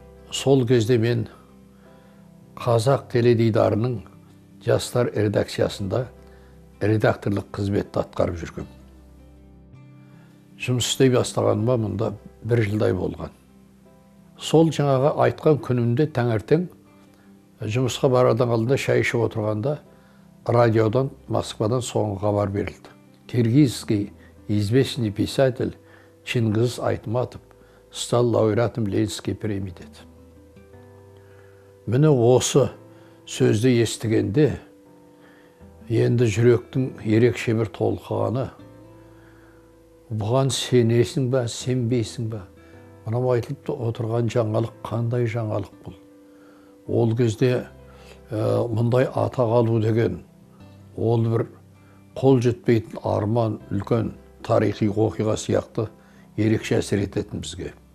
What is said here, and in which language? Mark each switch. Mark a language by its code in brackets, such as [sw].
[kk] Сол кезде мен Қазақ теледидарының жастар редакциясында редакторлық қызметті атқарып жүрген. Жұмыс істей бастағаныма мұнда бір жылдай болған. Сол жаңағы айтқан күнімде таңертең жұмысқа барардан алдында шай ішіп отырғанда радиодан, Москвадан соңғы хабар берілді. [ru] Киргизский известный писатель Чингиз Айтматов стал лауреатом Ленинской премии деді. [kk] Міне осы сөзді естігенде енді жүректің ерекше бір толқығаны, бұған сенесің бе, сенбейсің бе? Мынау айтылып отырған жаңалық қандай жаңалық бұл? Ол кезде мындай атақ алу деген ол бір қол жетпейтін арман, үлкен тарихи оқиға сияқты ерекше әсер ететін бізге.